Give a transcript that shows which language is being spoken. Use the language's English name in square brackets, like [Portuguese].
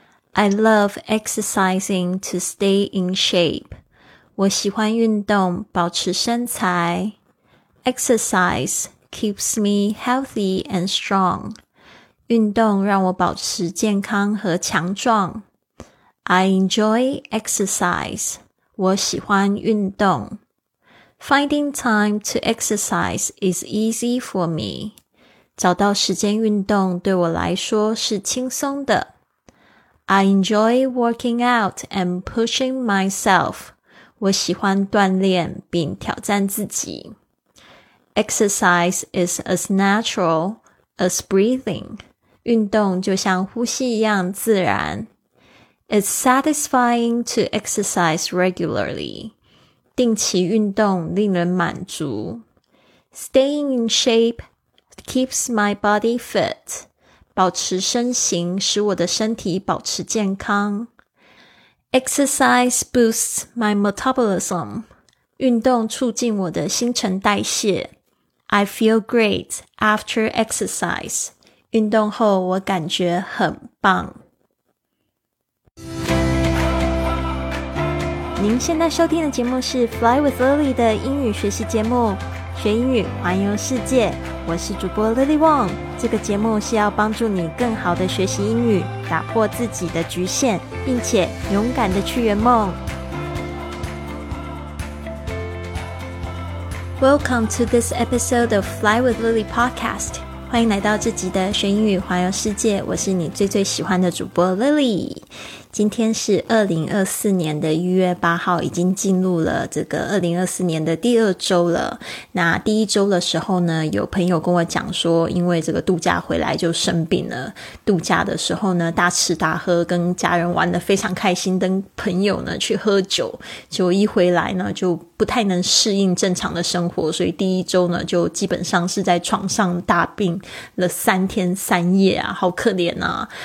[English] I love exercising to stay in shape. [Chinese] 我喜欢运动，保持身材。 [English] Exercise keeps me healthy and strong. [Chinese] 运动让我保持健康和强壮。 [English] I enjoy exercise. [Chinese] 我喜欢运动。 [English] Finding time to exercise is easy for me. [Chinese] 找到时间运动对我来说是轻松的。 [English] I enjoy working out and pushing myself. [Chinese] 我喜欢锻炼并挑战自己。 [English] Exercise is as natural as breathing. [Chinese] 运动就像呼吸一样自然。 [English] It's satisfying to exercise regularly. [Chinese] 定期运动令人满足。 [English] Staying in shape keeps my body fit. [Chinese] 保持身形，使我的身体保持健康。 [English] Exercise boosts my metabolism. [Chinese] 运动促进我的新陈代谢。 [English] I feel great after exercise. [Chinese] 运动后我感觉很棒。您现在收听的节目是 Fly with Lily 的英语学习节目。学英语，环游世界。我是主播 Lily Wong。这个节目是要帮助你更好的学习英语，打破自己的局限，并且勇敢的去圆梦。 [English] Welcome to this episode of Fly with Lily Podcast。 [Chinese] 欢迎来到这集的学英语环游世界，我是你最最喜欢的主播 Lily。今天是2024年的1月8号，已经进入了这个2024年的第二周了。那第一周的时候呢，有朋友跟我讲说，因为这个度假回来就生病了，度假的时候呢，大吃大喝，跟家人玩得非常开心，跟朋友呢去喝酒，结果一回来呢，就不太能适应正常的生活，所以第一周呢，就基本上是在床上大病了三天三夜啊，好可怜啊。